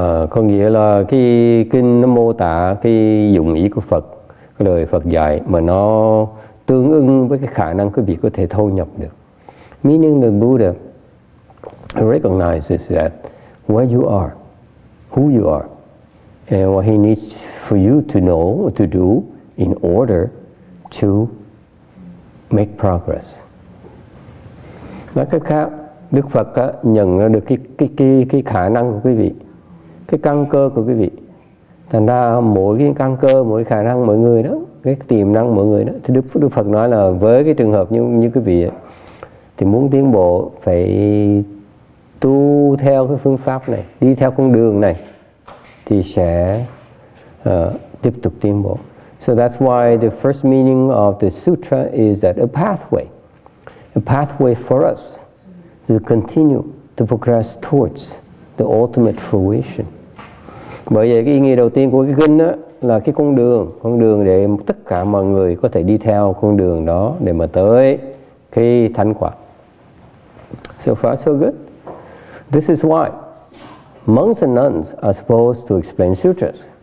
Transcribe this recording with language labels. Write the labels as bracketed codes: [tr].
[vi] Có nghĩa là cái kinh nó mô tả cái dụng ý của Phật, cái lời Phật dạy mà nó tương ứng với cái khả năng quý vị có thể thâu nhập được. [en] Meaning the Buddha recognizes that where you are, who you are, and what he needs for you to know or to do in order to make progress. [vi] Nói cách khác, Đức Phật nhận ra được cái khả năng của quý vị, cái căn cơ của quý vị. Thành ra mỗi cái căn cơ, mỗi khả năng mọi người đó, cái tiềm năng mọi người đó, thì Đức Phật nói là với cái trường hợp như quý vị ấy, thì muốn tiến bộ phải tu theo cái phương pháp này, đi theo con đường này thì sẽ tiếp tục tiến bộ. [en] So that's why the first meaning of the sutra is that a pathway for us to continue to progress towards the ultimate fruition. [vi] Bởi vậy cái ý nghĩa đầu tiên của cái kinh đó là cái con đường để tất cả mọi người có thể đi theo con đường đó để mà tới cái thánh quả. [en] So far so good. This is why monks and nuns are supposed to explain sutras.